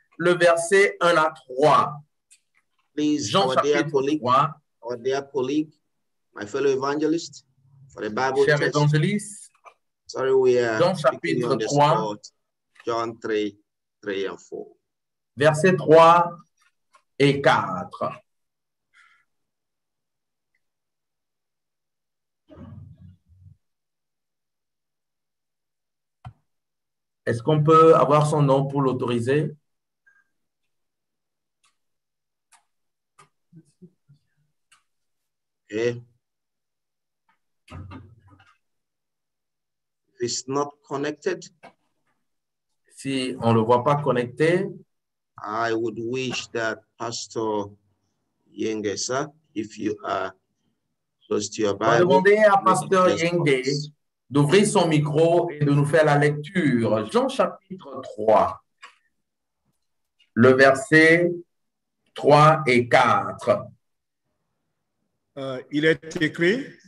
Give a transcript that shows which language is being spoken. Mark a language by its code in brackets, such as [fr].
[fr] Le verset 1 à 3. [en] Please, [fr] Jean chapitre 3. [en] Our dear colleague, my fellow evangelist, for the Bible [fr] Cher test. Évangéliste, [en] sorry, we are [fr] Jean chapitre 3. [en] John 3, 3 and 4. [fr] Verset 3 et 4. Est-ce qu'on peut avoir son nom pour l'autoriser? [en] If it's not connected, [fr] si on le voit pas connecté, [en] I would wish that Pastor Yengesa, if you are close to your Bible, [fr] on va demander à Pastor Yenge d'ouvrir son micro et de nous faire la lecture. Jean chapitre 3, le verset 3 et 4. Il est écrit.